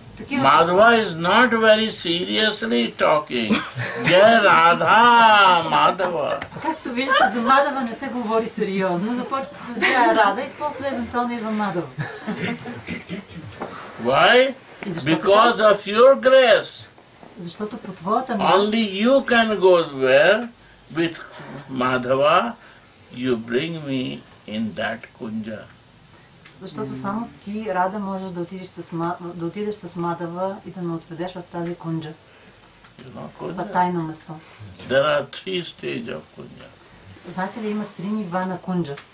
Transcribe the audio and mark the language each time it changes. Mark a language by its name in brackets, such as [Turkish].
[English] Madhava is not very seriously talking. [Hindi] Jai Radha Madhava. [Bulgarian] Както виждате, за Madhava не се говори сериозно. Започва се с Jai Radha и после евентуално идва Madhava. [English] Why? Because of your grace. [Bulgarian] Защото по твоята милост. [English] Only you can go where? With Madhava, you bring me in that kunja. [Bulgarian] Защото само ти, Рада, можеш да отидеш с Madhava и да ме отведеш в тази кунджа. Това тайно место. [English] There are three stages of kunja. [Bulgarian] Знаете ли, има три нива на кунджа.